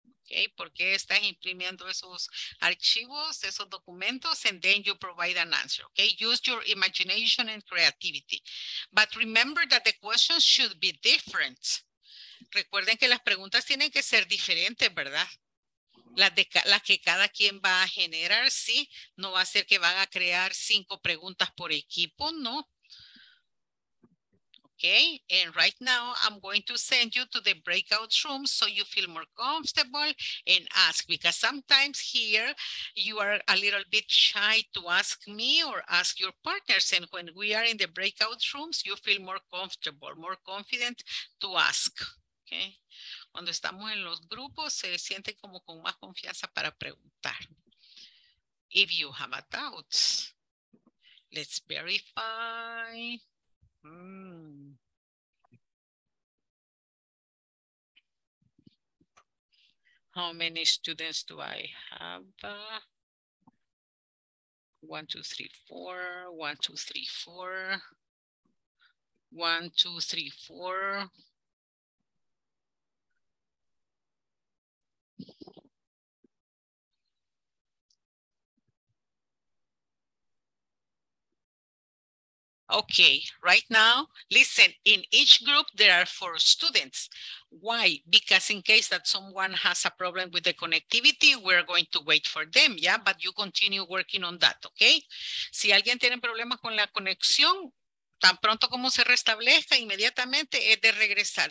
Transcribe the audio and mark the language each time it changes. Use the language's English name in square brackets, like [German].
[Spanish] Okay, ¿por qué estás imprimiendo esos archivos, esos documentos? [English] And then you provide an answer. Okay, use your imagination and creativity. But remember that the questions should be different. [Spanish] Recuerden que las preguntas tienen que ser diferentes, ¿verdad? Las que cada quien va a generar, sí. No va a ser que van a crear 5 preguntas por equipo, no. [English] Okay, and right now I'm going to send you to the breakout room so you feel more comfortable and ask, because sometimes here you are a little bit shy to ask me or ask your partners. And when we are in the breakout rooms, you feel more comfortable, more confident to ask. [Spanish] Okay, cuando estamos en los grupos, se siente como con más confianza para preguntar. [English] If you have a doubt, let's verify. How many students do I have? 1, 2, 3, 4. 1, 2, 3, 4. 1, 2, 3, 4. Okay, right now, listen, in each group, there are 4 students. Why? Because in case that someone has a problem with the connectivity, we're going to wait for them, yeah? But you continue working on that, okay? [Spanish] Si alguien tiene problemas con la conexión, tan pronto como se restablezca, inmediatamente es de regresar.